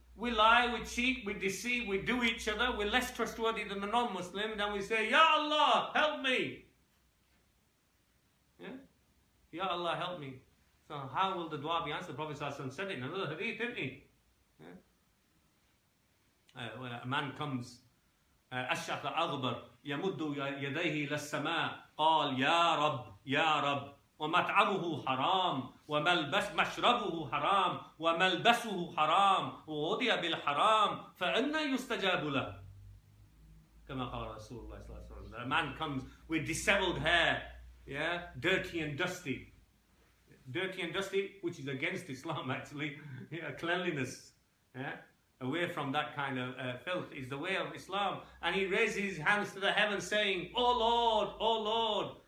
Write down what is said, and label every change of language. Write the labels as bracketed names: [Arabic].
[English] We lie, we cheat, we deceive, we do each other, we're less trustworthy than the non-Muslim, then we say, Ya Allah, help me! Yeah? Ya Allah, help me. So how will the dua be answered? The Prophet ﷺ said it in another hadith, didn't he? Yeah? When a man comes, [Arabic] Ash-Shaykh al-Aghbar, يَمُدُّ يَدَيْهِ لَلسَّمَاءِ قَالْ يَا رَبْ يَا رَبْ ومطعمه حرام وملبس مشربه حرام وملبسه حرام ووضع بالحرام فأنا يستجاب له كما قال رسول الله صلى الله عليه وسلم. [English] A man comes with disheveled hair, yeah, dirty and dusty, which is against Islam actually. Yeah, cleanliness, yeah, away from that kind of filth is the way of Islam. And he raises his hands to the heaven saying, Oh Lord.